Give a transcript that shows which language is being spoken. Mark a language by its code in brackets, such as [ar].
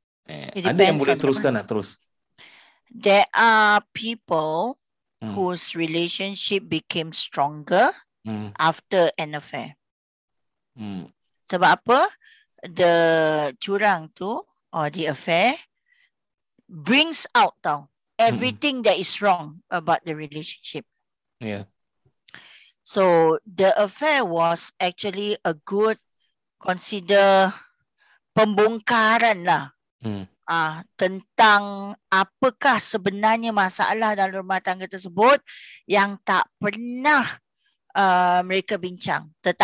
[ms] Ada yang boleh teruskan lah, terus. [en] There are people whose relationship became stronger after an affair. [ms] Sebab apa? [en] The [ms] curang tu [en] or the affair brings out tau everything that is wrong about the relationship. Yeah. So the affair was actually a good, consider [ms] pembongkaran lah. Tentang apakah sebenarnya masalah dalam rumah tangga tersebut yang tak pernah mereka bincang.